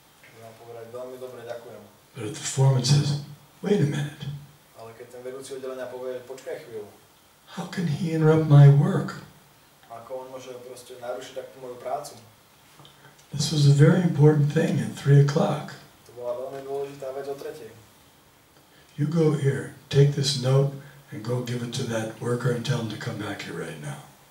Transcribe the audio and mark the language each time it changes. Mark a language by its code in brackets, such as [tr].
[sk] Môžem povedať, veľmi dobre, ďakujem. [en] But if the foreman says, wait a minute. [sk] Ale keď ten vedúci oddelenia povie, počkaj chvíľu. [en] How can he interrupt my work? [sk] Ako on môže proste narušiť takú moju prácu? [en] This was a very important thing at 3 o'clock. [sk] To bola veľmi dôležitá vec o 3. [en] You go here, take this note, and go give it to that worker and tell him to come back here right now.